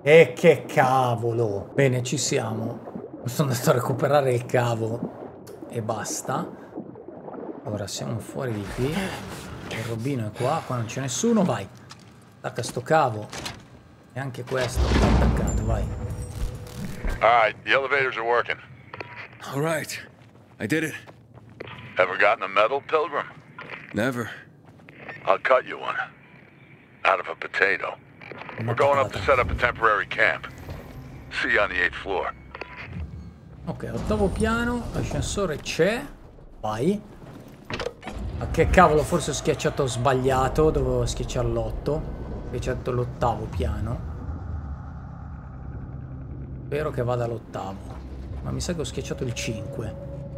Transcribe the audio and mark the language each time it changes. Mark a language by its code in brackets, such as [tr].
[it] E che cavolo. Bene, ci siamo. Sono andato a recuperare il cavo. E basta. Ora siamo fuori di qui. Il robino è qua. Qua non c'è nessuno. Vai. Attacca sto cavo. E anche questo è attaccato. Vai. [en] Alright, the elevators are working. All right, I did it. Ever gotten a medal, Pilgrim? Never. I'll cut you one. Out of a potato. We're going up to set up a temporary camp. See you on the 8th floor. [it] Ok, ottavo piano, l'ascensore c'è. Vai. Ma che cavolo, forse ho schiacciato sbagliato. Dovevo schiacciare l'8. Ho schiacciato l'ottavo piano. Spero che vada l'ottavo. Ma mi sa che ho schiacciato il 5.